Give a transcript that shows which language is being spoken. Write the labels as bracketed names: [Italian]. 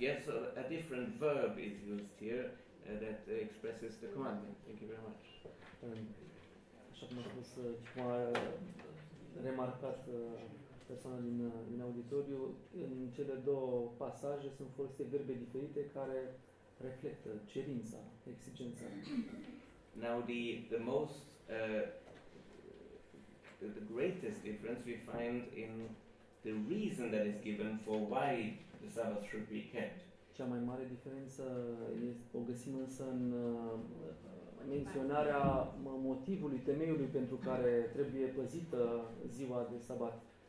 [English] Yes, a different verb is used here that expresses the commandment. Thank you very much. [Romanian] Așa cum a spus, cum a remarcat persoana din auditoriu, în cele două pasaje sunt folosite verbe diferite care reflectă cerința, exigența. [English] Now the most the greatest difference we find in the reason that is given for why the Sabbath should be kept. [Romanian] Cea mai mare diferență o găsim însă în menționarea motivului, temeiului pentru care trebuie păzită ziua de sabat.